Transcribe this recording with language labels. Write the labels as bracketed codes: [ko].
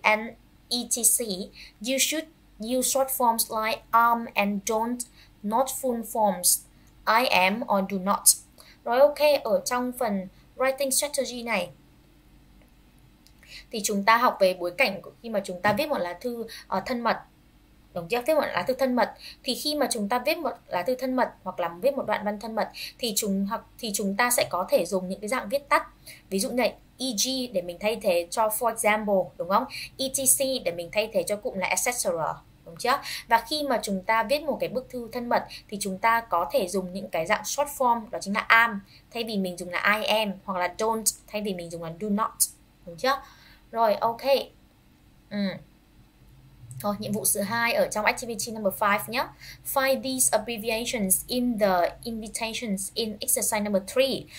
[en] and etc. You should use short forms like and don't not full forms, I am or do not. [vi] Rồi ok, ở trong phần writing strategy này thì chúng ta học về bối cảnh của khi mà chúng ta viết một lá thư thân mật. Đúng chưa? Viết một lá thư thân mật thì khi mà chúng ta viết một lá thư thân mật hoặc là viết một đoạn văn thân mật thì chúng ta sẽ có thể dùng những cái dạng viết tắt. Ví dụ như e.g. để mình thay thế cho [en] for example, [vi] đúng không? etc. để mình thay thế cho cụm là etc. Đúng chưa? Và khi mà chúng ta viết một cái bức thư thân mật thì chúng ta có thể dùng những cái dạng short form, đó chính là am thay vì mình dùng là [en] I am, [vi] hoặc là don't thay vì mình dùng là [en] do not. [vi] Đúng chưa? Rồi, ok. Thôi, nhiệm vụ số 2 ở trong [en] activity number 5 [vi] nhé. [en] Find these abbreviations in the invitations in exercise number 3.